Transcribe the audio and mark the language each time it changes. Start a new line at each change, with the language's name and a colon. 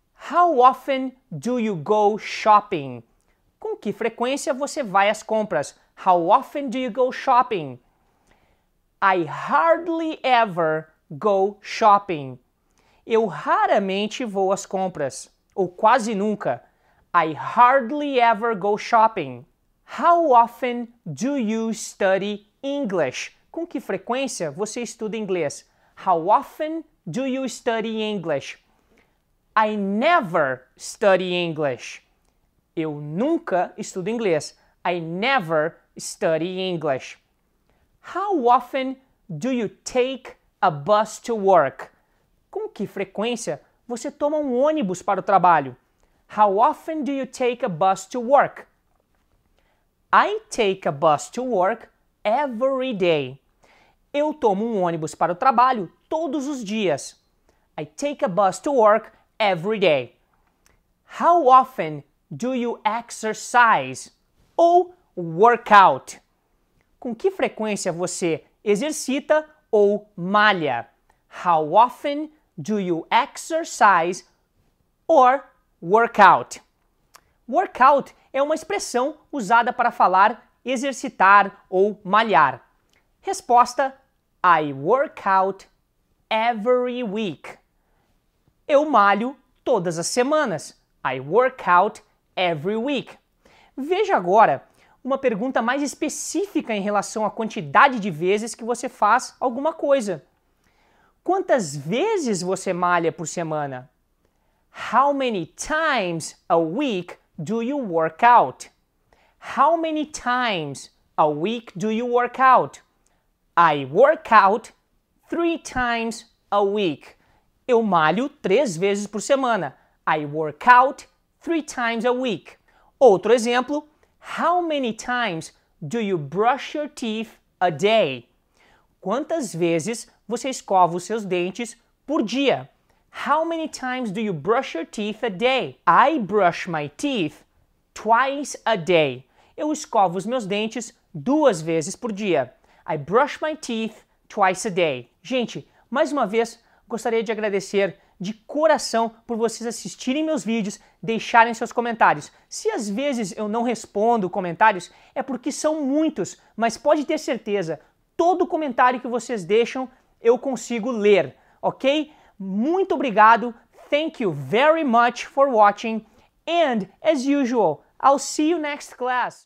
English: How often do you go shopping?
Portuguese: Com que frequência você vai às compras?
English: How often do you go shopping? I hardly ever go shopping.
Portuguese: Eu raramente vou às compras, ou quase nunca.
English: I hardly ever go shopping. How often do you study English?
Portuguese: com que frequência você estuda inglês?
English: How often do you study English? I never study English.
Portuguese: Eu nunca estudo inglês.
English: I never study English. How often do you take a bus to work?
Portuguese: Com que frequência você toma um ônibus para o trabalho?
English: How often do you take a bus to work? I take a bus to work every day.
Portuguese: Eu tomo um ônibus para o trabalho todos os dias.
English: I take a bus to work every day. How often do you exercise or work out?
Portuguese: Com que frequência você exercita ou malha?
English: How often do you exercise or work out?
Portuguese: Work out é uma expressão usada para falar exercitar ou malhar. Resposta:
English: I work out every week.
Portuguese: Eu malho todas as semanas.
English: I work out every week.
Portuguese: Veja agora uma pergunta mais específica em relação à quantidade de vezes que você faz alguma coisa. Quantas vezes você malha por semana?
English: How many times a week do you work out? How many times a week do you work out? I work out 3 times a week.
Portuguese: Eu malho 3 vezes por semana.
English: I work out 3 times a week.
Portuguese: Outro exemplo,
English: how many times do you brush your teeth a day?
Portuguese: Quantas vezes você escova os seus dentes por dia?
English: How many times do you brush your teeth a day? I brush my teeth 2 times a day.
Portuguese: Eu escovo os meus dentes 2 vezes por dia.
English: I brush my teeth 2 times a day.
Portuguese: Gente, mais uma vez, gostaria de agradecer de coração por vocês assistirem meus vídeos, deixarem seus comentários. Se às vezes eu não respondo comentários, é porque são muitos, mas pode ter certeza, todo comentário que vocês deixam, eu consigo ler, ok? Muito obrigado,
English: thank you very much for watching, and as usual, I'll see you next class.